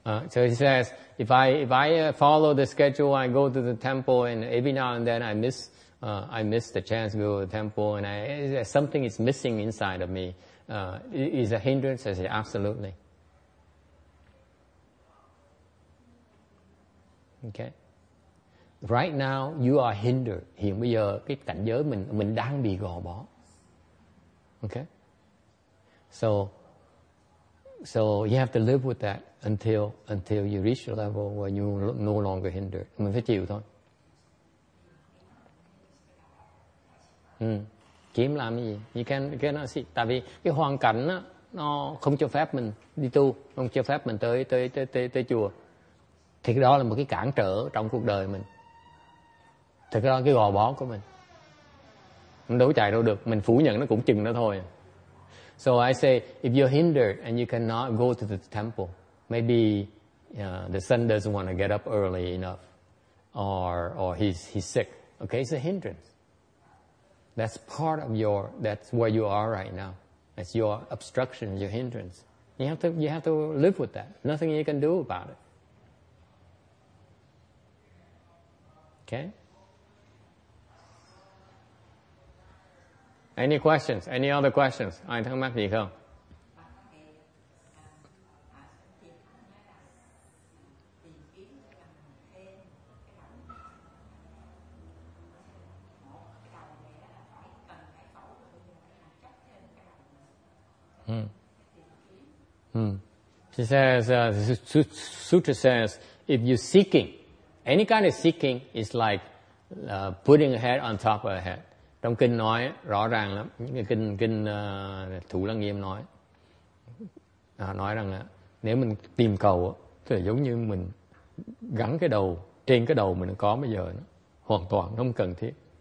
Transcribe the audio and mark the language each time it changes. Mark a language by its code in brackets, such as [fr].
[en] So he says, if I follow the schedule, I go to the temple, and every now and then I miss the chance to go to the temple, and something is missing inside of me. Is a hindrance? I say, absolutely. Okay. Right now, you are hindered. [vi] Hiện bây giờ, cái cảnh giới mình đang bị gò bó. [en] Okay. So you have to live with that until you reach a level where you no longer hindered. [vi] Mình phải chịu thôi. Kiếm làm gì? [en] You cannot see. [vi] Tại vì cái hoàn cảnh đó, nó không cho phép mình đi tu, không cho phép mình tới chùa. Thì cái đó là một cái cản trở trong cuộc đời mình. Thì cái đó là cái gò bó của mình. Mình đâu có chạy đâu được. Mình phủ nhận nó cũng chừng đó thôi. [en] So I say, if you're hindered and you cannot go to the temple, maybe the son doesn't want to get up early enough, or he's sick. Okay, it's a hindrance. That's part of your. That's where you are right now. That's your obstruction, your hindrance. You have to live with that. Nothing you can do about it. Okay. Any questions? Any other questions? [vi] Ai thắc mắc gì không? [en] She says, Sutra says, if you're seeking, any kind of seeking is like putting a head on top of a head. [vi] Trong kinh nói rõ ràng lắm, những cái kinh Thủ Lăng Nghiêm nói rằng là nếu mình tìm cầu thì giống như mình gắn cái đầu trên cái đầu mình có bây giờ đó, hoàn toàn nó không cần thiết.